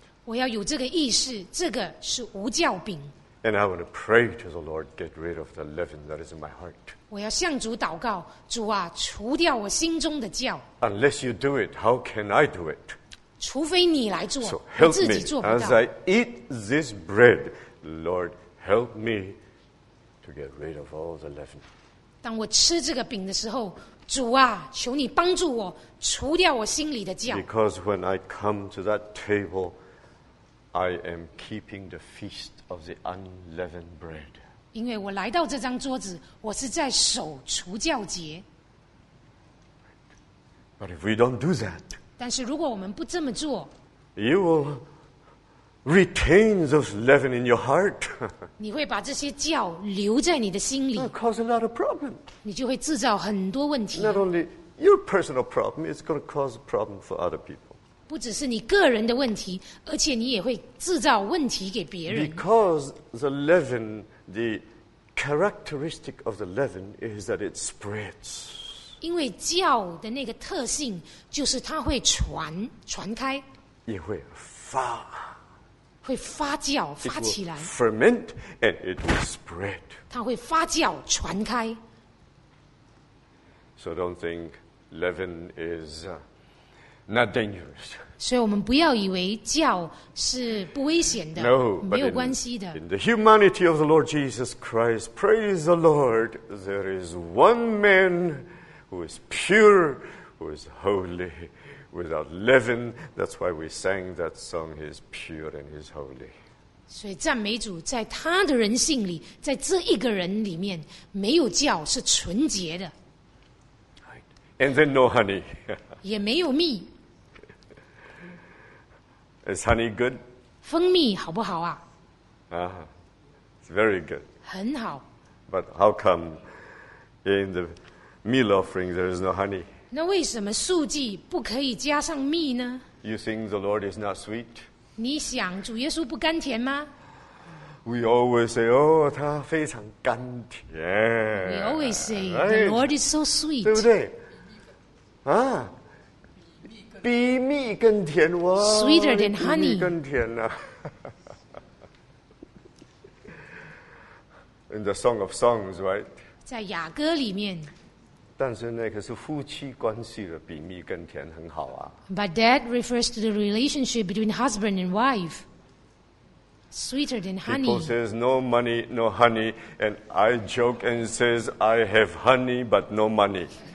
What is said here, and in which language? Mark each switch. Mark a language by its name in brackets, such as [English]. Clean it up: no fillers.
[Chinese] 我要有这个意识，这个是无酵饼。 [English] And I want to pray to the Lord, get rid of the leaven that is in my heart. [Chinese] 我要向主祷告，主啊，除掉我心中的酵。 [English] Unless you do it, how can I do it? [Chinese] 除非你来做，我自己做不到。 [English] As I eat this bread, Lord, help me to get rid of all the leaven. [Chinese] 当我吃这个饼的时候。主啊，求你帮助我除掉我心里的酵。 [English] Because when I come to that table, I am keeping the feast of the unleavened bread. [Chinese] 因为我来到这张桌子，我是在守除酵节。 [English] But if we don't do that, [Chinese] 但是如果我们不这么做， [English] you will retain those leaven in your heart. [Chinese] 你会把这些酵留在你的心里。 [English] That causes a lot of problems. [Chinese] 你就会制造很多问题。 [English] Not only your personal problem, it's going to cause a problem for other people. [Chinese] 不只是你个人的问题，而且你也会制造问题给别人。 [English] Because the leaven, the characteristic of the leaven is that it spreads. [Chinese] 因为酵的那个特性就是它会传开，也会发。会发酵发起来 [English] it will ferment and it will spread. [Chinese] 它会发酵传开 [English] So don't think leaven is not dangerous. [Chinese] 所以我们不要以为教是不危险的， [English] no, [Chinese] 没有关系的。 [English] In the humanity of the Lord Jesus Christ, praise the Lord, there is one man who is pure, who is holy, without leaven. That's why we sang that song, He is pure and He is holy. [Chinese] 所以赞美主，在他的人性里，在这一个人里面，没有教是纯洁的。 [English] And then no honey. [Chinese] 也没有蜜。 [English] Is honey good? [Chinese] 蜂蜜好不好啊？ [English] It's very good. [Chinese] 很好。 [English] But how come in the meal offering there is no honey? [Chinese] 那为什么素祭不可以加上蜜呢？ [English] You think the Lord is not sweet? [Chinese] 你想主耶稣不甘甜吗？ [English] We always say, oh, [Chinese] 他非常甘甜。 [English] We always say, the Lord is so sweet. [Chinese] 对不对？啊。比蜜更甜哇 [English] ！Sweeter than honey， [Chinese] 比蜜更甜呐、啊。 [English] In the Song of Songs, right？ [Chinese] 在雅歌里面。但是那个是夫妻关系的，比蜜更甜，很好啊。 [English] But that refers to the relationship between husband and wife. Sweeter than honey. People says no money, no honey, and I joke and says I have honey but no money.